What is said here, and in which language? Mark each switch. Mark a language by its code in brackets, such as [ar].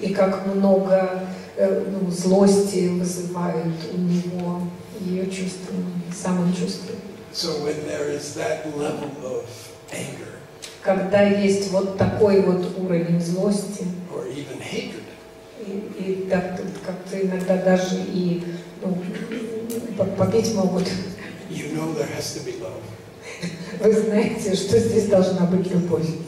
[ru] И как много ну, злости вызывает у него ее чувства, самым чувством. [en] So when there is that level of anger, [ru] когда есть вот такой вот уровень злости, [en] or even hatred, [ru] и так как-то иногда даже и ну, побить могут. [en] You know there has to be love. [ru] Вы знаете, что здесь должна быть любовь.